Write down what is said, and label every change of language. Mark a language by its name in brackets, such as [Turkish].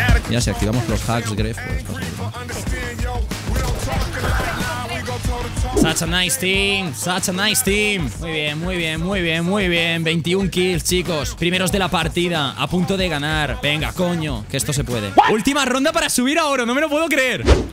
[Spanish] Ya, si activamos los hacks, Gref, pues está muy bien. [English] Such a nice team, such a nice team. [Spanish] Muy bien, muy bien, muy bien, muy bien. 21 kills, chicos. Primeros de la partida, a punto de ganar. Venga, coño, que esto se puede. ¿Qué? Última ronda para subir a oro, no me lo puedo creer.